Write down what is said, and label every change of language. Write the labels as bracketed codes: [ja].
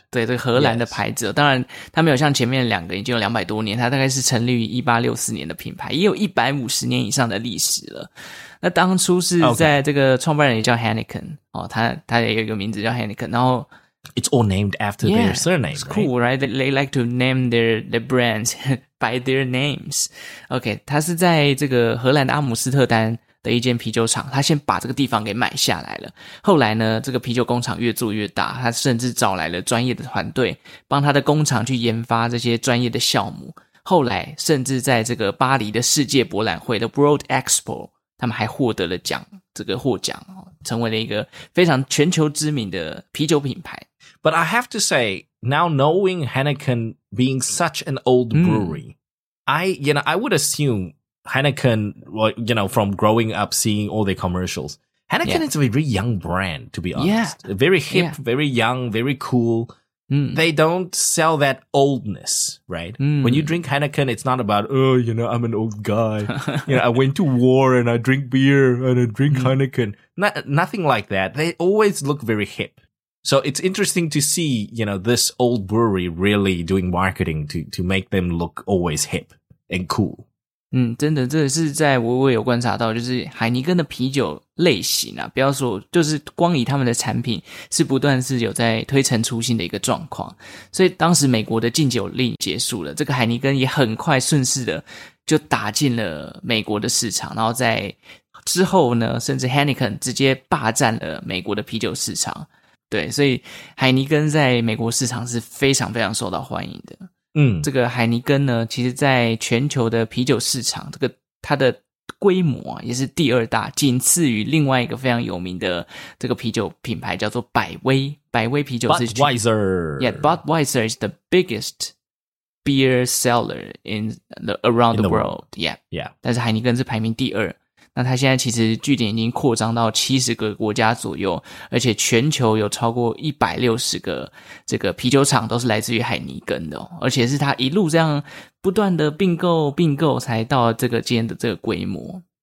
[zh] 对，这个荷兰的牌子，当然它没有像前面两个已经有200多年，它大概是成立于1864年的品牌，也有150年以上的历史了。那当初是在这个创办人也叫 Heineken, 他也有一个名字叫 Heineken, 然后 [en] It's all named after their surname, it's cool, right? They like to name their brands by their names. [zh] Okay, 它是在这个荷兰的阿姆斯特丹的一间啤酒厂，他先把这个地方给买下来了。后来呢，这个啤酒工厂越做越大，他甚至找来了专业的团队，帮他的工厂去研发这些专业的酵母。后来甚至在这个巴黎的世界博览会的 World Expo, 他们还获得了奖，这个获奖，成为了一个非常全球知名的啤酒品牌。 [en] But I have to say, now knowing Heineken being such an old brewery, I would assume,Heineken, well, you know, from growing up, seeing all their commercials. Heineken is a very young brand, to be honest. Yeah. Very hip, very young, very cool. They don't sell that oldness, right? When you drink Heineken, it's not about, oh, you know, I'm an old guy. You know, I went to war and I drink beer and I drink Heineken. Nothing like that. They always look very hip. So it's interesting to see, you know, this old brewery really doing marketing to make them look always hip and cool. [zh] 真的，这是在我有观察到，就是海尼根的啤酒类型啊，不要说，就是光以他们的产品是不断是有在推陈出新的一个状况。所以当时美国的禁酒令结束了，这个海尼根也很快顺势的就打进了美国的市场，然后在之后呢，甚至 Heineken 直接霸占了美国的啤酒市场。对，所以海尼根在美国市场是非常非常受到欢迎的。这个海尼根呢，其实在全球的啤酒市场，这个它的规模啊也是第二大，仅次于另外一个非常有名的这个啤酒品牌，叫做百威。百威啤酒是 [en] Budweiser, yeah, Budweiser is the biggest beer seller in the around the world, yeah. [zh] 但是海尼根是排名第二，那它现在其实据点已经扩张到70个国家左右，而且全球有超过160个这个啤酒厂都是来自于海尼根的，而且是它一路这样不断的并购并购才到这个今天的这个规模。